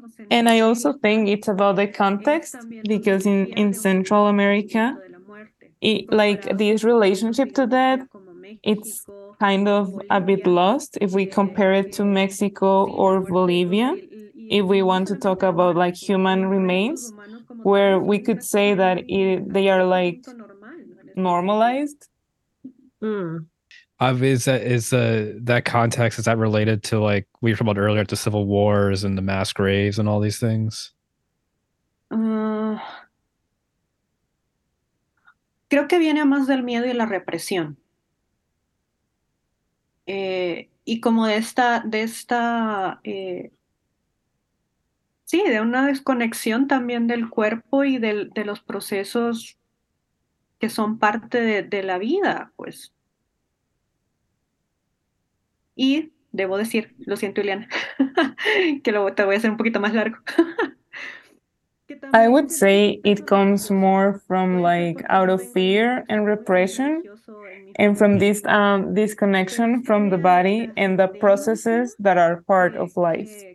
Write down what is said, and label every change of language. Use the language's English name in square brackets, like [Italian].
[English] And I also think it's about the context, because in Central America, this relationship to death, it's kind of a bit lost if we compare it to Mexico or Bolivia, if we want to talk about like human remains, where we could say that they are like normalized. Mm. Is that context, is that related to like we were talking about earlier, the civil wars and the mass graves and all these things? [Spanish] Creo que viene más del miedo y la represión. Y como de una desconexión también del cuerpo y de los procesos que son parte de la vida, pues. Y debo decir, lo siento, Ileana, que te voy a hacer un poquito más largo. [English] I would say it comes more from like out of fear and repression and from this disconnection from the body and the processes that are part of life.